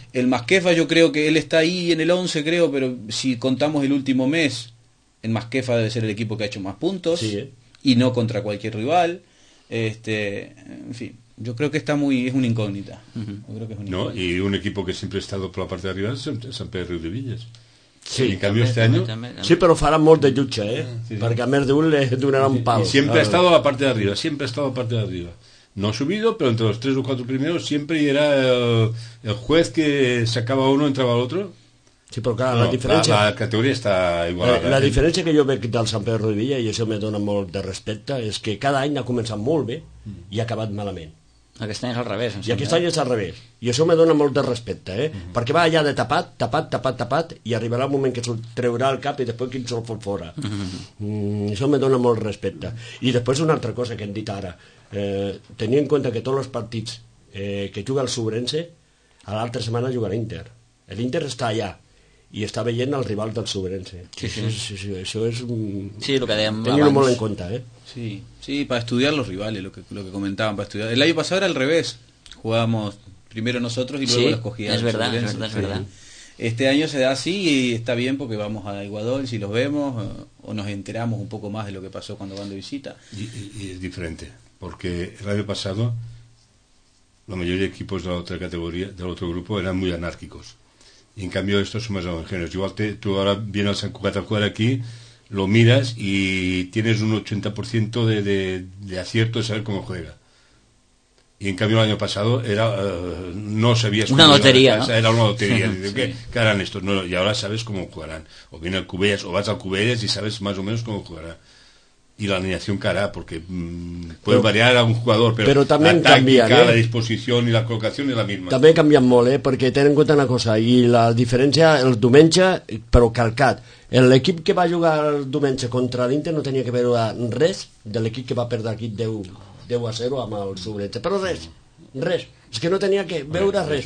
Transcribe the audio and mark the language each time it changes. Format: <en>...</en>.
<es>El Masquefa, yo creo que él está ahí en el 11, creo, pero si contamos el último mes, el Masquefa debe ser el equipo que ha hecho más puntos. Sí, Y no contra cualquier rival. En fin, yo creo que está muy. Es una incógnita. Uh-huh. Yo creo que es una incógnita. No, y un equipo que siempre ha estado por la parte de arriba es San Pedro de Villas. Sí, en cambio este año</es> <ca>sí, pero farà molt de lluita, perquè a més d'un le donarà un pau.</ca> <es>Siempre ha estado a la parte de arriba, siempre ha estado a la parte de arriba. No ha subido, pero entre los tres o cuatro primeros siempre era el juez que sacaba uno, entraba el otro.</es> <ca>Sí, però clar, la diferència, la categoria està igual. La diferència que jo veig del Sant Pedro de Villa, i això me dona molt de respecte, és que cada any ha començat molt bé i ha acabat malament. Aquest any és al revés. I aquest any és al revés. I això me dona molt de respecte, eh? Uh-huh. Perquè va allà de tapat, i arribarà el moment que se'l treurà el cap i després quin se'l fot fora. Uh-huh. Això me dona molt respecte. I després una altra cosa que hem dit ara. Tenir en compte que tots els partits que juga el Sobrense, a l'altra setmana jugarà Inter. L'Inter està allà i està veient el rival del Sobrense. Sí. Això és... Sí, el que dèiem abans. Tenir-ho molt en compte, eh?</ca> <es>Sí, sí, para estudiar los rivales, lo que comentaban, para estudiar. El año pasado era al revés. Jugábamos primero nosotros y luego sí, los cogíamos. Es verdad, es verdad, es verdad. Este año se da así y está bien porque vamos a Ecuador, si los vemos o nos enteramos un poco más de lo que pasó cuando van de visita. Y es diferente, porque el año pasado la mayoría de equipos de la otra categoría, del otro grupo, eran muy anárquicos. Y en cambio estos son más homogéneos. Igual tú ahora vienes a San Cugat a jugar aquí, lo miras y tienes un 80% de acierto de saber cómo juega. Y en cambio el año pasado era no sabías cómo una lotería, ¿no? Era una lotería. Sí. ¿Qué harán estos? No, y ahora sabes cómo jugarán. O viene al Cubellas, o vas al Cubellas y sabes más o menos cómo jugará. Y la alineación que hará, porque puede variar a un jugador, pero también la táctica, cambian, la disposición y la colocación es la misma. También cambian molt, porque ten en cuenta una cosa, y la diferencia,</es> <ca>el diumenge, pero calcat, l'equip que va jugar el diumenge contra l'Inter no tenia que veure res de l'equip que va perdre aquí 10-0 amb el Sobrense, però res. És que no tenia que veure res.</ca>